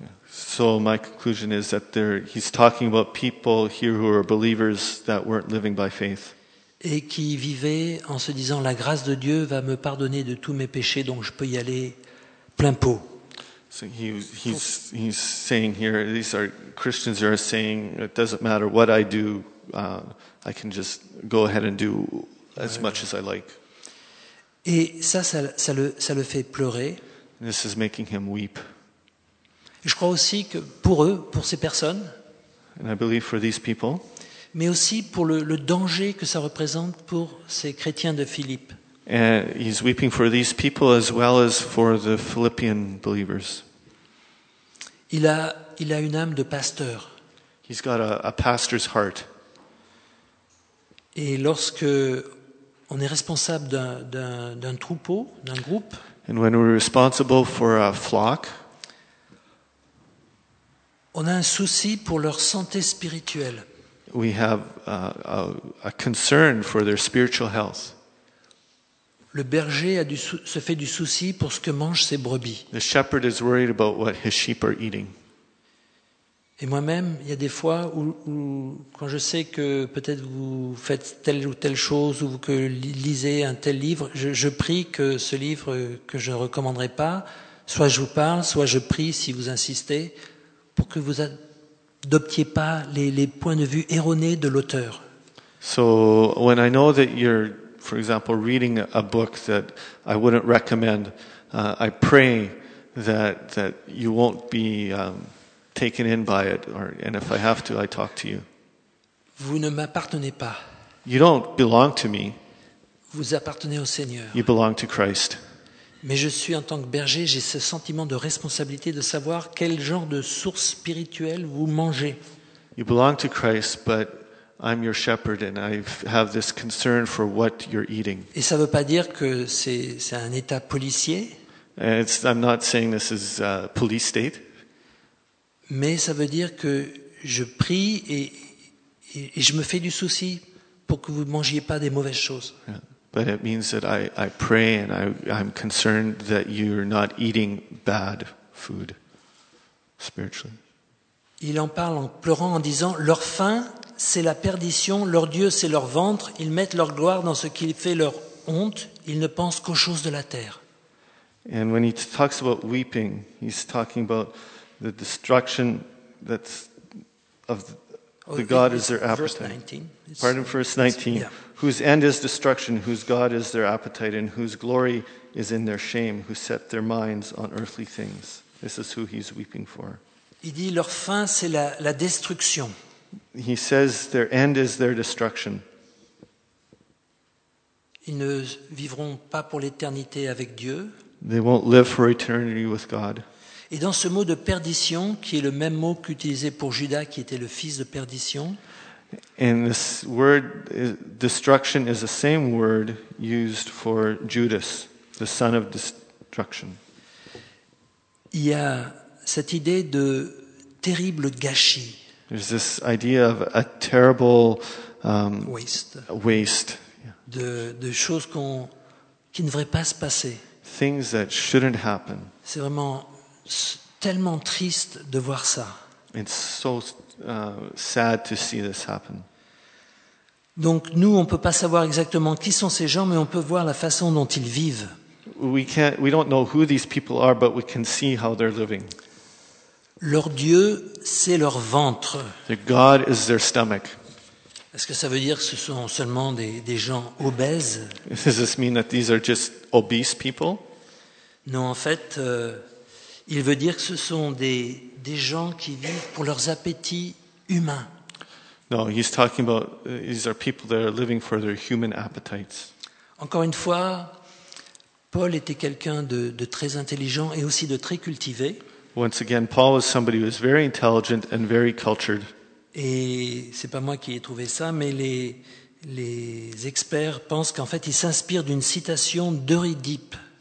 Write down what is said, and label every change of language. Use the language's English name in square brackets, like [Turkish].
[English] So my conclusion is that he's talking about people here who are believers that weren't living by faith. [French] Et qui vivaient en se disant, la grâce de Dieu va me pardonner de tous mes péchés, donc je peux y aller plein pot. [English] So he's saying here, these are Christians who are saying, it doesn't matter what I do, I can just go ahead and do as much as I like. [French] Et ça le fait pleurer. [English] And this is making him weep. [French] Je crois aussi que pour eux, pour ces personnes, [English] and I believe for these people, [French] mais aussi pour le danger que ça représente pour ces chrétiens de Philippe. [English] And he's weeping for these people as well as for the Philippian believers. Il a une âme de pasteur. He's got a pastor's heart. Et lorsque on est responsable d'un troupeau, d'un groupe, and when we're responsible for a flock, on a un souci pour leur santé spirituelle. We have a concern for their spiritual health. Le berger se fait du souci pour ce que mangent ses brebis. The shepherd is worried about what his sheep are eating. Et moi-même, il y a des fois où quand je sais que peut-être vous faites telle ou telle chose ou que lisez un tel livre, je prie que ce livre que je ne recommanderais pas, soit je vous parle, soit je prie si vous insistez, pour que vous adoptiez pas les points de vue erronés de l'auteur. So when I know that you're, for example, reading a book that I wouldn't recommend, I pray that you won't be taken in by it. And if I have to, I talk to you. [French] Vous ne m'appartenez pas. [English] You don't belong to me. [French] Vous appartenez au Seigneur. [English] You belong to Christ. [French] Mais je suis en tant que berger, j'ai ce sentiment de responsabilité de savoir quel genre de source spirituelle vous mangez. [English] You belong to Christ, but I'm your shepherd and I have this concern for what you're eating. [French] Et ça ne veut pas dire que c'est un état policier. [English] I'm not saying this is a police state. [French] Mais ça veut dire que je prie et je me fais du souci pour que vous ne mangiez pas des mauvaises choses. [English] Yeah. But it means that I pray and I'm concerned that you're not eating bad food spiritually. [French] Il en parle en pleurant en disant leur faim c'est la perdition, leur dieu c'est leur ventre, ils mettent leur gloire dans ce qui fait leur honte, ils ne pensent qu'aux choses de la terre. [English] And when he talks about weeping, he's talking about the destruction that's of The God is their appetite. Pardon, verse 19. Yeah. Whose end is destruction, whose God is their appetite, and whose glory is in their shame, who set their minds on earthly things. This is who he's weeping for. [French] Il dit, leur fin, c'est la destruction. [English] He says, their end is their destruction. [French] Ils ne vivront pas pour l'éternité avec Dieu. [English] They won't live for eternity with God. [French] Et dans ce mot de perdition, qui est le même mot qu'utilisé pour Judas, qui était le fils de perdition, [English] and this word, destruction, is the same word used for Judas, the son of destruction. [French] Il y a cette idée de terrible gâchis. [English] There's this idea of a terrible waste. Waste. [French] De choses qui ne devraient pas se passer. [English] Things that shouldn't happen. [French] C'est vraiment tellement triste de voir ça. [English] It's so sad to see this happen. [French] Donc nous, on peut pas savoir exactement qui sont ces gens, mais on peut voir la façon dont ils vivent. [English] We don't know who these people are, but we can see how they're living. [French] Leur dieu, c'est leur ventre. [English] Their god is their stomach. [French] Est-ce que ça veut dire que ce sont seulement des gens obèses? [English] Does this mean that these are just obese people? [French] Non, en fait. Il veut dire que ce sont des gens qui vivent pour leurs appétits humains. [English] No, he's talking about these are people that are living for their human appetites. [French] Encore une fois, Paul était quelqu'un de très intelligent et aussi de très cultivé. [English] Once again, Paul was somebody who was very intelligent and very cultured. [French] Et c'est pas moi qui ai trouvé ça, mais les experts pensent qu'en fait, il s'inspire d'une citation d'Euripide.